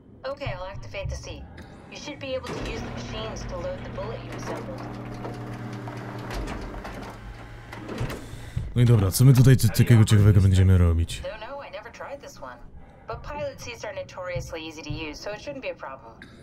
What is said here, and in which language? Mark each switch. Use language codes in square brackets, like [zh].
[en] Okay, I'll activate the seat. You should be able to use the machines to load the bullet you assembled. [pl] No i dobra, co my tutaj takiego ciekawego będziemy robić? [en] No, no, I never tried this one. But pilot seats are notoriously easy to use, so it shouldn't be a problem.